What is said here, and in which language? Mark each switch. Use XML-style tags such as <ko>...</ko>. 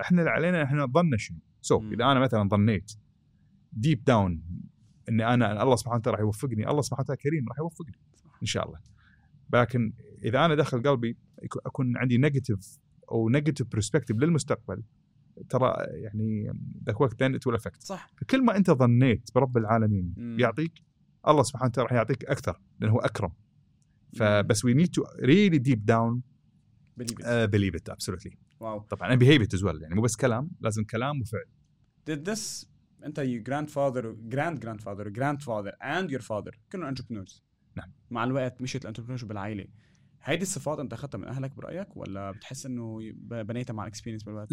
<ar>إحنا علينا إحنا ظننا شنو. So إذا أنا مثلا ظنيت</ar> <en>deep down</en> <ar>إني أنا الله سبحانه وتعالى راح يوفقني، الله سبحانه وتعالى كريم راح يوفقني إن شاء الله. لكن إذا أنا داخل قلبي أكون عندي negative أو negative perspective للمستقبل، ترى يعني ذاك وقت</ar> <en>then it will affect.</en> <ar>صح. كل ما أنت ظنيت برب العالمين بيعطيك، الله سبحانه وتعالى راح يعطيك أكثر لأنه هو أكرم. فبس</ar> <en>we need to really deep down believe it absolutely.</en> <ar>واو. طبعا</ar> <en>and behave it as well.</en> <ar>يعني مو بس كلام, لازم كلام وفعل.</ar> <en>Did this أنت your grandfather, grand grandfather, grandfather and your father</en> <ar>كانوا</ar> <en>entrepreneurs؟</en> <ar>نعم. مع الوقت مشيت entrepreneurship بالعائلة. هيدي الصفات أنت أخذتها من أهلك برأيك ولا بتحس إنه بنيتها مع experience بالوقت؟</ar>